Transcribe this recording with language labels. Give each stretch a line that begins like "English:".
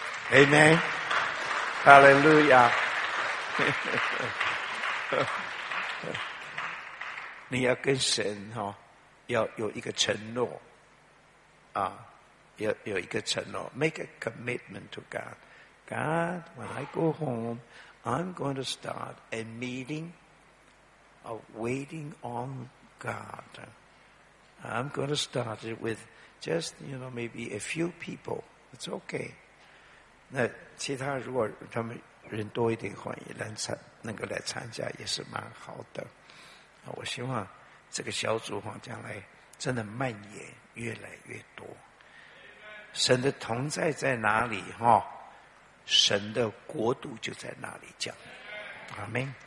Chinese: Amen， 哈利路亚。你要跟神哈、哦，要有一个承诺啊，要有一个承诺 ，
English: make a commitment to God. God, when I go home, I'm going to start a meeting of waiting on God. I'm going to start it with just you know maybe a few people. It's okay.
Chinese: 那其他如果他们人多一点，欢迎来参，能够来参加也是蛮好的。我希望这个小组将来真的蔓延越来越多。神的同在在哪里，神的国度就在哪里讲。阿们。